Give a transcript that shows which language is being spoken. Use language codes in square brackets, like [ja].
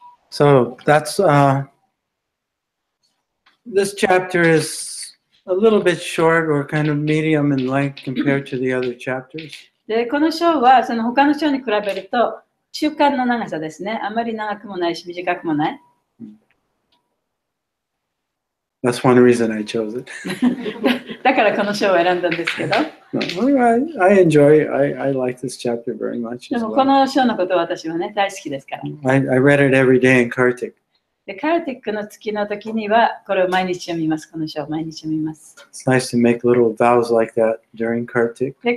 [en] So that's this chapter is a little bit short or kind of medium in length compared to the other chapters. [ja] で、この章はその他の章に比べると中間の長さですね。あまり長くもないし短くもない。 [en] That's one reason I chose it. [ja] だからこの章を選んだんですけど。 [en] I like this chapter very much. [ja] でもこの章のことは私はね、大好きですから。 [en] I read it every day in Kartik. [ja] で、カルティックの月の時にはこれを毎日読みます。この章を毎日読みます。 [en] It's nice to make little vows like that during Kartik.